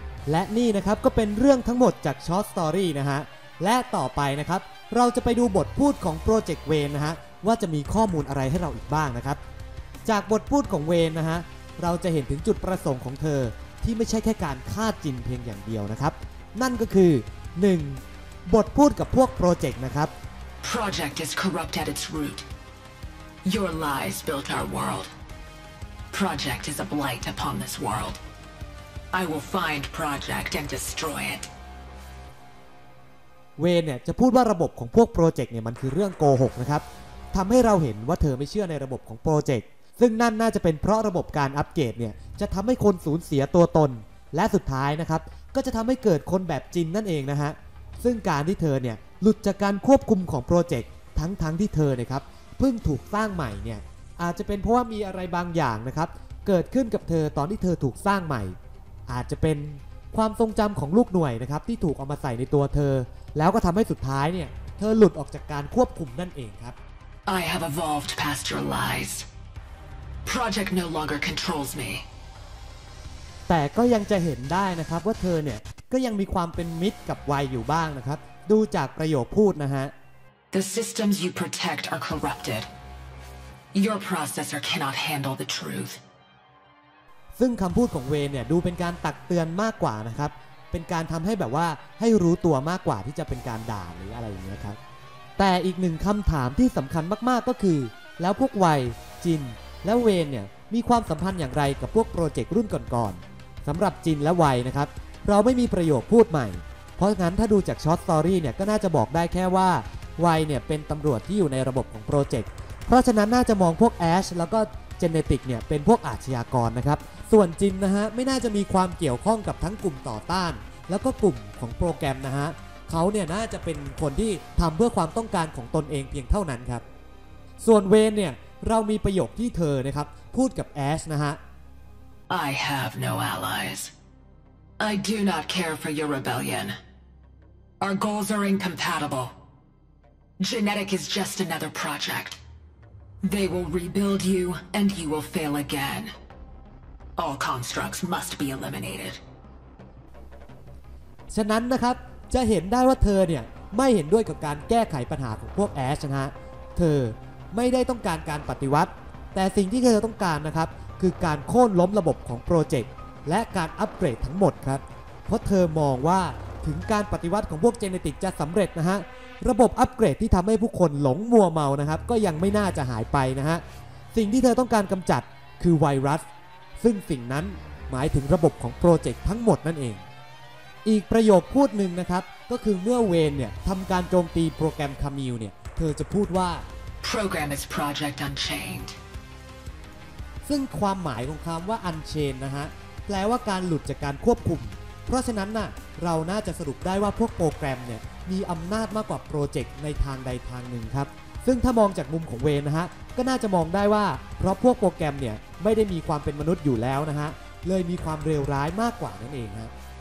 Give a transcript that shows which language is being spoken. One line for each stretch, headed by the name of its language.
Thai: และนี่นะครับก็เป็นเรื่องทั้งหมดจากชอร์ตสตอรี่นะฮะและต่อไปนะครับเราจะไปดูบทพูดของโปรเจกต์เวนนะฮะว่าจะมีข้อมูลอะไรให้เราอีกบ้างนะครับจากบทพูดของเวนนะฮะเราจะเห็นถึงจุดประสงค์ของเธอที่ไม่ใช่แค่การฆ่าจินเพียงอย่างเดียวนะครับนั่นก็คือ1บทพูดกับพวกโปรเจกต์นะครับ
English: Project is corrupt at its root. Your lies built our world. Project is a blight upon this world. I will find Project and destroy it.
Thai: เวนเนี่ยจะพูดว่าระบบของพวกโปรเจกต์เนี่ยมันคือเรื่องโกหกนะครับทำให้เราเห็นว่าเธอไม่เชื่อในระบบของโปรเจกต์ซึ่งนั่นน่าจะเป็นเพราะระบบการอัปเกรดเนี่ยจะทำให้คนสูญเสียตัวตนและสุดท้ายนะครับก็จะทำให้เกิดคนแบบจินนั่นเองนะฮะซึ่งการที่เธอเนี่ยหลุดจากการควบคุมของโปรเจกต์ทั้งที่เธอเนี่ยครับเพิ่งถูกสร้างใหม่เนี่ยอาจจะเป็นเพราะว่ามีอะไรบางอย่างนะครับเกิดขึ้นกับเธอตอนที่เธอถูกสร้างใหม่อาจจะเป็น ความทรงจำของลูกหน่วยนะครับที่ถูกเอามาใส่ในตัวเธอแล้วก็ทำให้สุดท้ายเนี่ยเธอหลุดออกจากการควบคุมนั่นเองครับ
English: I have evolved past your lies. Project no longer controls me.
Thai: แต่ก็ยังจะเห็นได้นะครับว่าเธอเนี่ยก็ยังมีความเป็นมิตรกับไวอยู่บ้างนะครับดูจากประโยคพูดนะฮะ
English: The systems you protect are corrupted. Your processor cannot handle the truth.
Thai: ซึ่งคำพูดของเวนเนี่ยดูเป็นการตักเตือนมากกว่านะครับเป็นการทำให้แบบว่าให้รู้ตัวมากกว่าที่จะเป็นการด่าหรืออะไรอย่างเงี้ยครับแต่อีกหนึ่งคำถามที่สำคัญมากๆก็คือแล้วพวกไว จินและเวนเนี่ยมีความสัมพันธ์อย่างไรกับพวกโปรเจกต์รุ่นก่อนๆสำหรับจินและไวนะครับเราไม่มีประโยคพูดใหม่เพราะงั้นถ้าดูจากช็อตสตอรี่เนี่ยก็น่าจะบอกได้แค่ว่า ไวเนี่ยเป็นตำรวจที่อยู่ในระบบของโปรเจกต์เพราะฉะนั้นน่าจะมองพวกแอชแล้วก็เจเนติกเนี่ยเป็นพวกอาชญากรนะครับส่วนจินนะฮะไม่น่าจะมีความเกี่ยวข้องกับทั้งกลุ่มต่อต้านแล้วก็กลุ่มของโปรแกรมนะฮะเขาเนี่ยน่าจะเป็นคนที่ทำเพื่อความต้องการของตนเองเพียงเท่านั้นครับส่วนเวนเนี่ยเรามีประโยคที่เธอนะครับพูดกับแอชนะฮะ
English: I have no allies. I do not care for your rebellion. Our goals are incompatible. Genetic is just another project. They will rebuild you, and you will fail again. All constructs must be eliminated.
Thai: ฉะนั้นนะครับจะเห็นได้ว่าเธอเนี่ยไม่เห็นด้วยกับการแก้ไขปัญหาของพวกแอชนะฮะเธอไม่ได้ต้องการการปฏิวัติแต่สิ่งที่เธอต้องการนะครับคือการโค่นล้มระบบของโปรเจกต์และการอัปเกรดทั้งหมดครับเพราะเธอมองว่าถึงการปฏิวัติของพวกเจเนติกจะสำเร็จนะฮะระบบอัปเกรดที่ทำให้ผู้คนหลงมัวเมานะครับก็ยังไม่น่าจะหายไปนะฮะสิ่งที่เธอต้องการกำจัดคือไวรัส ซึ่งสิ่งนั้นหมายถึงระบบของโปรเจกต์ทั้งหมดนั่นเองอีกประโยคพูดหนึ่งนะครับก็คือเมื่อเวนเนี่ยทำการโจมตีโปรแกรมคามิลเนี่ยเธอจะพูดว่า
English: Program is Project Unchained
Thai: ซึ่งความหมายของคำว่า Unchained นะฮะแปลว่าการหลุดจากการควบคุมเพราะฉะนั้นน่ะเราน่าจะสรุปได้ว่าพวกโปรแกรมเนี่ยมีอำนาจมากกว่าโปรเจกต์ในทางใดทางหนึ่งครับซึ่งถ้ามองจากมุมของเวนนะฮะก็น่าจะมองได้ว่าเพราะพวกโปรแกรมเนี่ยไม่ได้มีความเป็นมนุษย์อยู่แล้วนะฮะเลยมีความเลวร้ายมากกว่านั่นเองครับ